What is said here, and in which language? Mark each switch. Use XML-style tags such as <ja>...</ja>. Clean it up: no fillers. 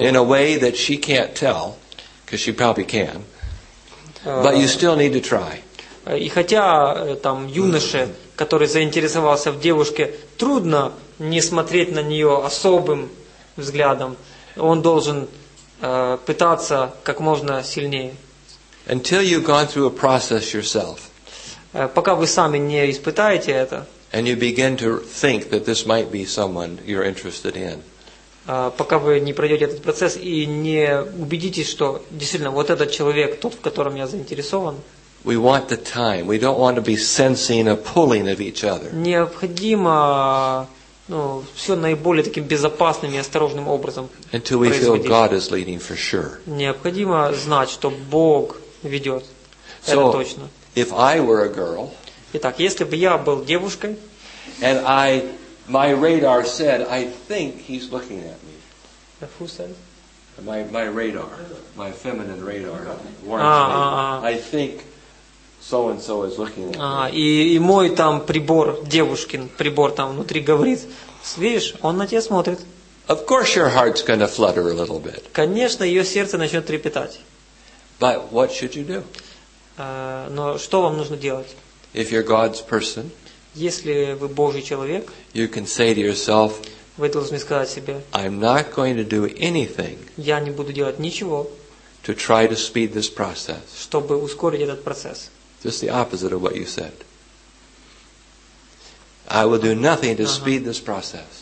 <en>in a way that she can't tell, because she probably can, but you still need to try.</en> <ru>И хотя там юноше, который заинтересовался в девушке, трудно не смотреть на нее особым взглядом, он должен пытаться как можно сильнее.</ru> <en>Until you've gone through a process yourself,</en> <ru>пока вы сами не испытаете это,</ru> <en>and you begin to think that this might be someone you're interested in,</en> <ru>пока вы не пройдете этот процесс и не убедитесь, что действительно вот этот человек тот, в котором я заинтересован,</ru> <en>we want the time. We don't want to be sensing a pulling of each other.</en> <ru>Необходимо, ну, все наиболее таким безопасным и осторожным образом происходить.</ru> <en>Until we feel God is leading for sure.</en> <ru>Необходимо знать, что Бог ведет.</ru> <en>So,</en> <ru>это точно.</ru> <en>If I were a girl,</en> <ru>итак, если бы я был девушкой,</ru> <en>and I, my radar said, I think he's looking at me. Who said? My radar, my feminine radar warns me. I think so and so is looking at me.</en> <ru>И мой там прибор, девушкин прибор там внутри говорит, видишь, он на тебя смотрит.</ru> <en>Of course, your heart's gonna flutter a little bit.</en> <ru>Конечно, ее сердце начнет трепетать.</ru> <en>But what should you do?</en> <ru>Но что вам нужно делать?</ru> <en>If you're God's person,</en> <ru>если вы Божий человек,</ru> <en>you can say to yourself,</en> <ru>вы должны сказать себе,</ru> <en>I'm not going to do anything,</en> <ru>я не буду делать ничего,</ru> <en>to try to speed this process,</en> <ru>чтобы ускорить этот процесс.</ru> <en>Just the opposite of what you said. I will do nothing to speed this process.</en>